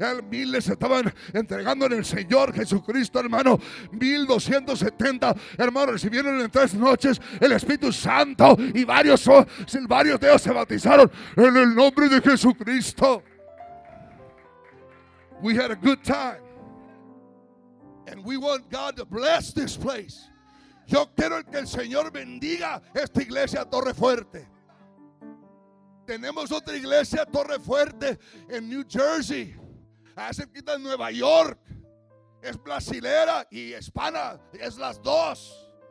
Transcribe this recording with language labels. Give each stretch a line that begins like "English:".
Spanish: Miles estaban entregando en el Señor Jesucristo, hermano. 1,270, hermano, recibieron en tres noches el Espíritu Santo. Y varios de ellos se bautizaron en el nombre de Jesucristo.
English: We had a good time. And we want God to bless this place.
Spanish: Yo quiero que el Señor bendiga esta iglesia, Torre Fuerte. Tenemos otra iglesia, Torre Fuerte, en New Jersey, cerquita de Nueva York. Es brasilera y hispana, es las dos.